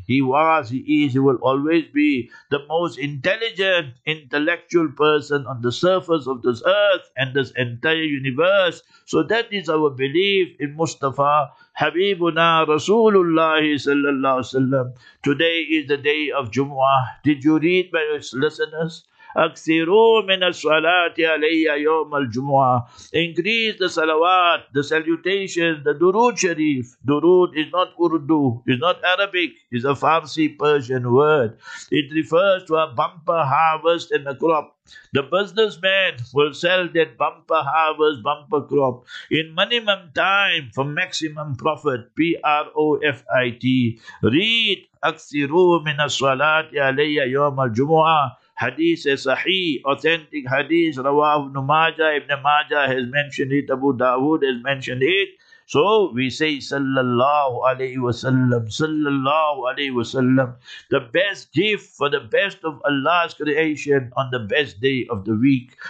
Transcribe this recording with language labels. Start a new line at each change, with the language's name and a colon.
English: He was, he is, he will always be the most intelligent, intellectual person on the surface of this earth and this entire universe. So that is our belief in Mustafa Habibuna Rasulullah sallallahu alayhi wasallam. Today is the day of Jumu'ah. Did you read, my listeners?
Arabic: أكثروا من الصلاة علي يوم الجمعة.
English: Increase the salawat, the salutation, the durood sharif. Durood is not Urdu, is not Arabic, is a Farsi Persian word. It refers to a bumper harvest and a crop. The businessman will sell that bumper harvest, bumper crop in minimum time for maximum profit. P-R-O-F-I-T. Read
Arabic: أكثروا من الصلاة علي يوم الجمعة.
English: Hadith is sahih, authentic hadith, Rawah ibn Majah, Ibn Majah has mentioned it, Abu Dawood has mentioned it. So we say, Sallallahu Alaihi Wasallam, Sallallahu Alaihi Wasallam, the best gift for the best of Allah's creation on the best day of the week.